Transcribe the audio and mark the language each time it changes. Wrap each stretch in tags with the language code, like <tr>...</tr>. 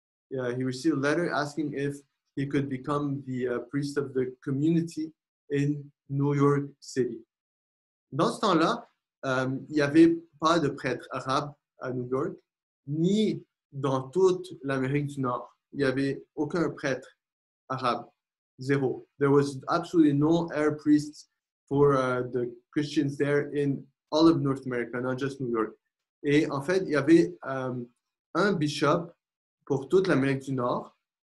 <en>He received a letter asking if he could become the priest of the community in New York City.</en> <fr>Dans ce temps-là, il n'y avait pas de prêtre arabe à New York, ni dans toute l'Amérique du Nord. Il n'y avait aucun prêtre arabe. Zéro.</fr> <en>There was absolutely no Arab priests for the Christians there in all of North America, not just New York.</en> <fr>Et en fait, il y avait un bishop pour toute l'Amérique du Nord.</fr>